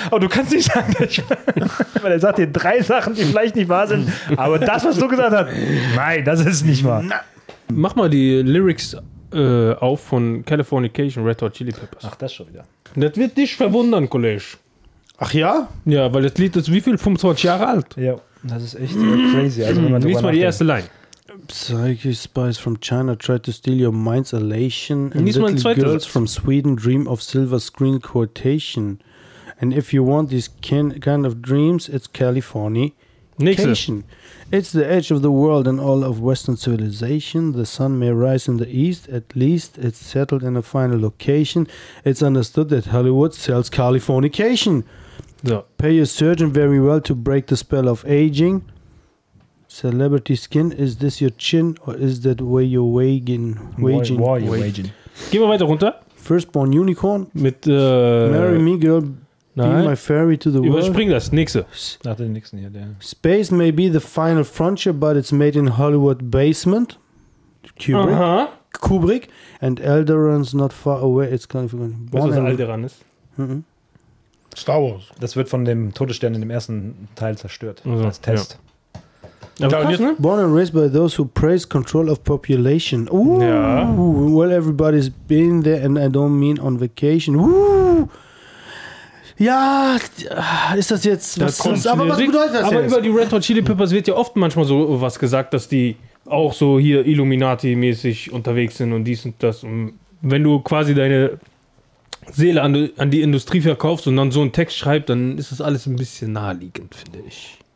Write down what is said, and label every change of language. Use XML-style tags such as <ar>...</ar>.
<de>Aber du kannst nicht sagen, dass ich. Weil er sagt dir drei Sachen, die vielleicht nicht wahr sind. Aber das, was du gesagt hast, nein, das ist nicht wahr. Na. Mach mal die Lyrics auf von Californication, Red Hot Chili Peppers. Ach, das schon wieder. Das wird dich verwundern, Kollege. Ach ja? Ja, weil das Lied ist wie viel? 25 Jahre alt. Ja, das ist echt crazy. Also, wenn man lies mal die erste Line.</de> <en>Psychic spies from China tried to steal your mind's elation. And little girls from Sweden dream of silver screen quotation. And if you want these kind of dreams, it's Californication. It's the edge of the world and all of Western civilization. The sun may rise in the east. At least it's settled in a final location. It's understood that Hollywood sells Californication. No. Pay a surgeon very well to break the spell of aging. Celebrity skin, is this your chin or is that where you're waging? Why you waging?</en> <de>Gehen wir weiter runter.</de> <en>Firstborn unicorn.</en> <de>Mit,</de> <en>marry me, girl.</en> <de>Nein.</de> <en>Be my fairy to the world.</en> <de>Überspring das. Nächste. Nach den nächsten hier. Der.</de> <en>Space may be the final frontier, but it's made in Hollywood basement. Kubrick. Aha. Kubrick. And Alderaan's not far away. It's kind of</en> <de>weißt du, was ein Alderaan ist? Mm-hmm. Star Wars. Das wird von dem Todesstern in dem ersten Teil zerstört. Also, als Test. Ja.</de> <en>Born and raised by those who praise control of population. Ooh.</en> <de>Ja.</de> <en>Well, everybody's been there and I don't mean on vacation.</en> <de>Ooh. Ja, ist das jetzt... Da was ist, aber was bedeutet das aber jetzt? Aber über die Red Hot Chili Peppers wird ja oft manchmal so was gesagt, dass die auch so hier Illuminati-mäßig unterwegs sind und dies und das. Und wenn du quasi deine Seele an die Industrie verkaufst und dann so einen Text schreibst, dann ist das alles ein bisschen naheliegend, finde ich.</de>